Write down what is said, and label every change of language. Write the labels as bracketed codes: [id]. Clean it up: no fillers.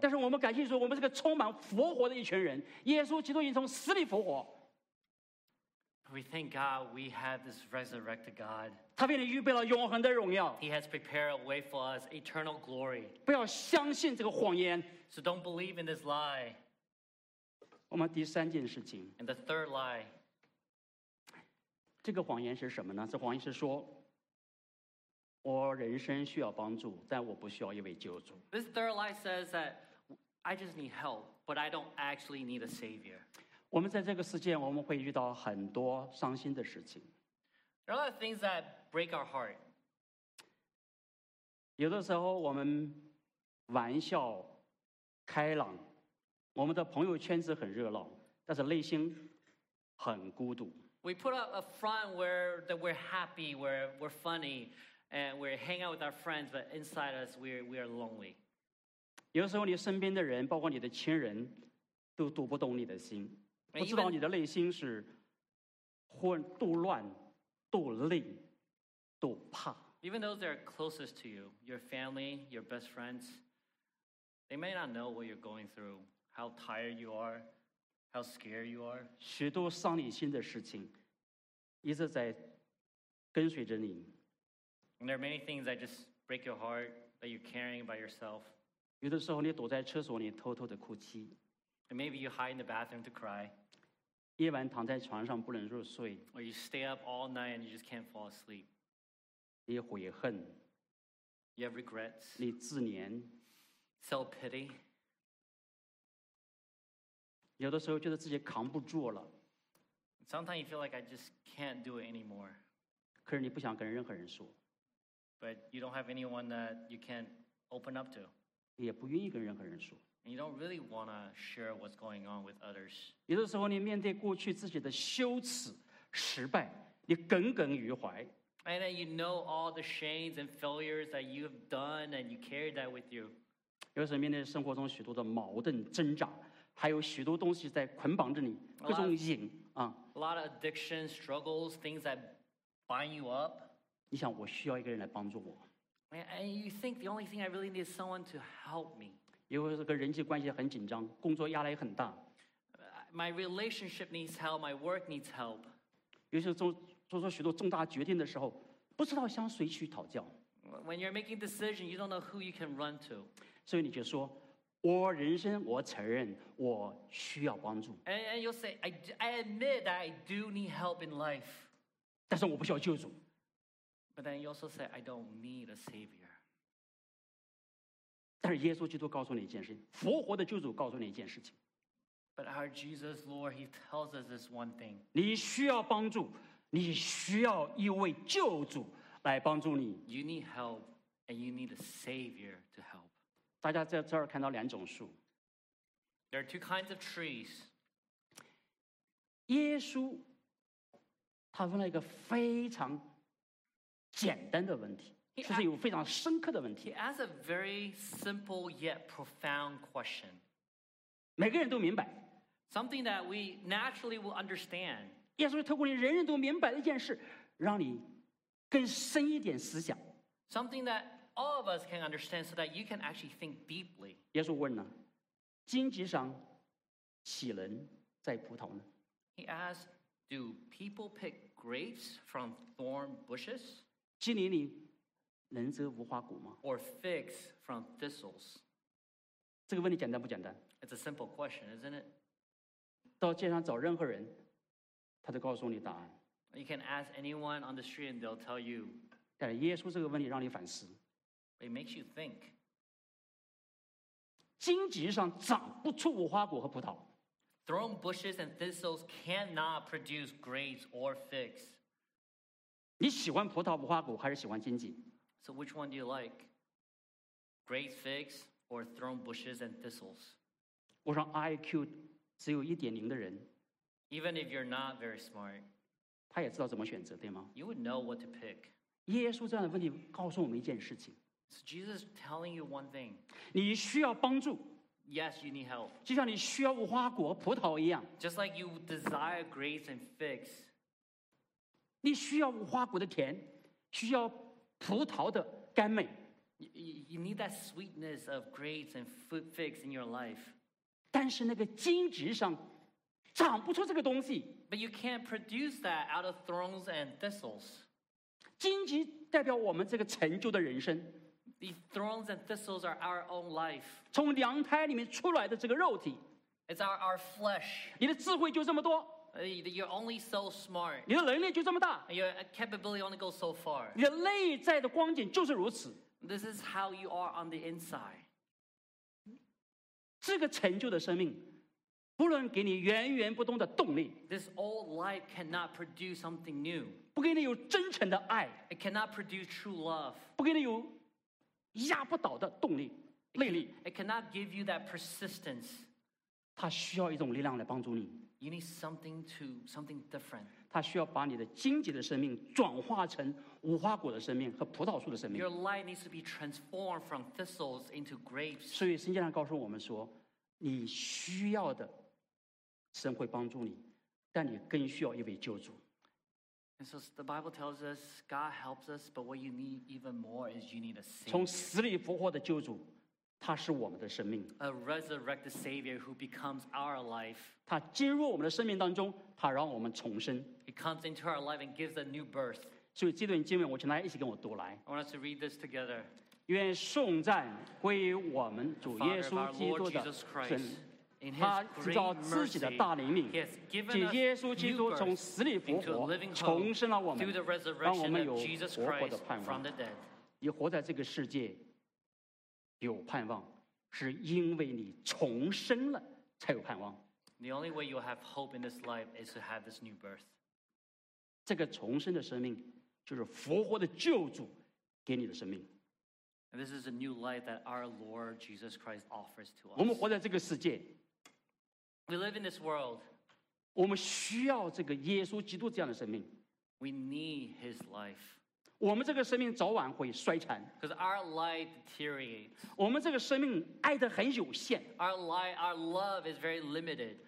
[zh] 但是我们感谢说，我们是个充满复活的一群人。耶稣基督已经从死里复活。 [en] We thank God we have this resurrected God. [zh] 他为你预备了永恒的荣耀。 [en] He has prepared a way for us eternal glory. [zh] 不要相信这个谎言。 [en] So don't believe in this lie. [zh] 我们第三件事情。 [en] And the third lie. [zh] 这个谎言是什么呢？这谎言是说，我人生需要帮助，但我不需要一位救主。 [en] This third lie says that I just need help, but I don't actually need a savior. [zh] 我们在这个世界，我们会遇到很多伤心的事情。 [en] There are a lot of things that break our heart. [zh] 有的时候我们玩笑开朗，我们的朋友圈子很热闹，但是内心很孤独。 [en] We put up a front where that we're happy, where we're funny, and we're hanging out with our friends, but inside us, we are lonely. [zh] 有时候你身边的人，包括你的亲人，都读不懂你的心。不知道你的内心是度乱度累度怕。 [en] Even though they're closest to you, your family, your best friends, they may not know what you're going through, how tired you are, how scared you are. [zh] 许多伤你心的事情一直在跟随着你。 [en] And there are many things that just break your heart that you're carrying by yourself. [zh] 有的时候你躲在厕所里偷偷的哭泣。 [en] And maybe you hide in the bathroom to cry. [zh] 夜晚躺在床上不能入睡。 [en] Or you stay up all night and you just can't fall asleep. [zh] 你悔恨。 [en] You have regrets. [zh] 你自怜。 [en] Self-pity. [zh] 有的时候觉得自己扛不住了。 [en] Sometimes you feel like I just can't do it anymore. [zh] 可是你不想跟任何人说。 [en] But you don't have anyone that you can open up to. [zh] 也不愿意跟任何人说。 [en] And you don't really want to share what's going on with others. [zh] 有的时候你面对过去自己的羞耻、失败，你耿耿于怀。 [en] And then you know all the shames and failures that you've done and you carry that with you. [zh] 有的时候面对生活中许多的矛盾、挣扎，还有许多东西在捆绑着你，各种瘾啊。 [en] A lot of addiction, struggles, things that bind you up. [zh] 你想我需要一个人来帮助我。 [en] And you think the only thing I really need is someone to help me. [zh] 因为这个人际关系很紧张，工作压力很大。 [en] My relationship needs help. My work needs help. [zh] 尤其做许多重大决定的时候，不知道向谁去讨教。 [en] When you're making decisions, you don't know who you can run to. [zh] 所以你就说，我人生我承认我需要帮助。 [en] And you'll say, I admit that I do need help in life. [zh] 但是我不需要救主。 [en] But then you also say, I don't need a savior. [zh] 但是耶稣基督告诉你一件事情，复活的救主告诉你一件事情。 [en] But our Jesus Lord, He tells us this one thing. [zh] 你需要帮助，你需要一位救主来帮助你。 [en] You need help, and you need a Savior to help. [zh] 大家在这儿看到两种树。 [en] There are two kinds of trees. [zh] 耶稣他问了一个非常简单的问题。这是有非常深刻的问题。 [en] He asked a very simple yet profound question. [zh] 每个人都明白。 [en] Something that we naturally will understand. [zh] 耶稣透过你人人都明白的一件事，让你更深一点思想。 [en] Something that all of us can understand so that you can actually think deeply. [zh] 耶稣问了，荆棘上岂能摘葡萄呢？ [en] He asked, do people pick grapes from thorn bushes? [zh] 荆棘里能摘无花果吗？ [en] Or figs from thistles? [zh] 这个问题简单不简单？ [en] It's a simple question, isn't it? [zh] 到街上找任何人，他都告诉你答案。 [en] You can ask anyone on the street and they'll tell you. [zh] 但耶稣这个问题让你反思。 [en] It makes you think. [zh] 荆棘上长不出无花果和葡萄。 [en] Thorn bushes and thistles cannot produce grapes or figs. [zh] 你喜欢葡萄无花果还是喜欢荆棘？ [en] So which one do you like? Grapes, figs, or thorn bushes and thistles? [zh] 我说 IQ 只有1.0的人。 [en] Even if you're not very smart. [zh] 他也知道怎么选择，对吗？ [en] You would know what to pick. [zh] 耶稣这样的问题告诉我们一件事情。 [en] So Jesus is telling you one thing. [zh] 你需要帮助。 [en] Yes, you need help. [zh] 就像你需要无花果、葡萄一样。 [en] Just like you desire grapes and figs. [zh] 你需要无花果的甜，需要葡萄的甘美。 [en] You need that sweetness of grapes and figs in your life. [zh] 但是那个荆棘上长不出这个东西。 [en] But you can't produce that out of thorns and thistles. [zh] 荆棘代表我们这个成就的人生。 [en] These thorns and thistles are our own life. [zh] 从娘胎里面出来的这个肉体。 [en] It's our flesh. [zh] 你的智慧就这么多。 [en] You're only so smart. [zh] 你的能力就这么大。 [en] Your capability only goes so far. [zh] 你的内在的光景就是如此。 [en] This is how you are on the inside. [zh] 这个成就的生命不能给你源源不断的动力。 [en] This old life cannot produce something new. [zh] 不给你有真诚的爱。 [en] It cannot produce true love. [zh] 不给你有压不倒的动力、魅力。 [en] It cannot give you that persistence. [zh] 它需要一种力量来帮助你。 [en] You need something different. [zh] 它需要把你的荆棘的生命转化成无花果的生命和葡萄树的生命。 [en] Your life needs to be transformed from thistles into grapes. [zh] 所以圣经上告诉我们说，你需要的神会帮助你，但你更需要一位救主。 [en] And so the Bible tells us God helps us, but what you need even more is you need a savior. [zh] 从死里复活的救主，他是我们的生命。 [en] A resurrected savior who becomes our life. [zh] 他进入我们的生命当中，他让我们重生。 [en] He comes into our life and gives a new birth. [zh] 所以这段经文，我请大家一起跟我读来。 [en] I want us to read this together. [zh] 愿颂赞归于我们主耶稣基督的神，他照自己的大怜悯，借耶稣基督从死里复活，重生了我们，让我们有活泼的盼望。你活在这个世界有盼望，是因为你重生了才有盼望。 [en] The only way you have hope in this life is to have this new birth. [zh] 这个重生的生命就是复活的救主给你的生命。 [en] And this is a new life that our Lord Jesus Christ offers to us. [zh] 我们活在这个世界。 [en] We live in this world. [zh] 我们需要这个耶稣基督这样的生命。 [en] We need his life. [zh] 我们这个生命早晚会衰残。 [en] Because our life deteriorates. [zh] 我们这个生命爱得很有限。 [en] Our love is very limited.